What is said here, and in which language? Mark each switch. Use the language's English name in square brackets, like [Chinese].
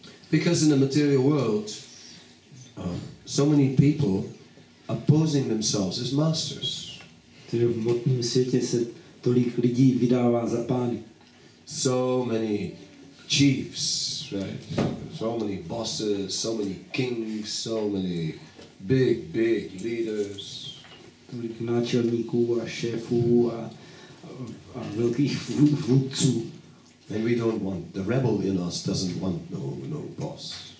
[English] Because in the material world, so many people opposing themselves as masters. [Czech] Takže v hmotném světě se tolik lidí vydává za pány. [English] So many chiefs, right? So many bosses, so many kings, so many big leaders. [Czech] Tolik náčelníků a šéfů a velkých vůdců. [English] And we don't want, the rebel in us doesn't want no boss.